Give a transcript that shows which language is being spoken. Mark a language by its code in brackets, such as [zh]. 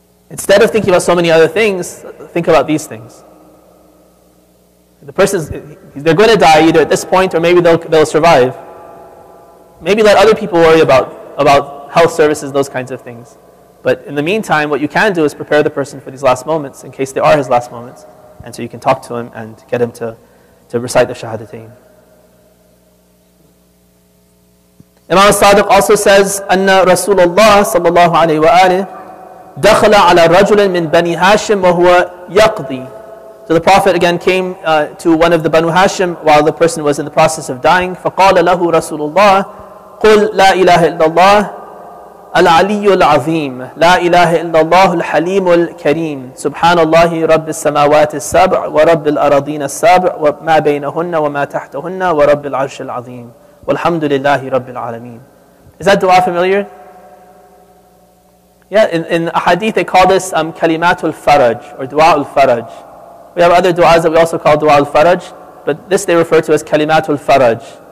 [en] Instead of thinking about so many other things, think about these things. The person, they're going to die either at this point or maybe they'll survive. Maybe let other people worry about health services, those kinds of things. But in the meantime, what you can do is prepare the person for these last moments in case they are his last moments. And so you can talk to him and get him to recite the shahadatain. Imam al-Sadiq also says, [ar] أَنَّ رَسُولَ اللَّهِ صَلَّى اللَّهُ عَلَيْهِ وَآلِهِ دَخَلَ عَلَى رَجُلٍ مِّن بَنِي هَاشِمْ وَهُوَ يَقْضِي. [en] So the Prophet again came to one of the Banu Hashim while the person was in the process of dying. [ar] فَقَالَ لَهُ رَسُولُ اللَّهِ قُلْ لَا إِلَهَ إِلَّا اللَّهِ العلي العظيم لا إله إلا الله الحليم الكريم سبحان الله رب السماوات السبع ورب الأراضين السبع وما بينهن وما تحتهن ورب العرش العظيم والحمد لله رب العالمين. [en] Is that dua familiar? Yeah, in a hadith they call this كلمات الفرج or dua الفرج. We have other duas that we also call dua الفرج, but this they refer to as كلمات الفرج.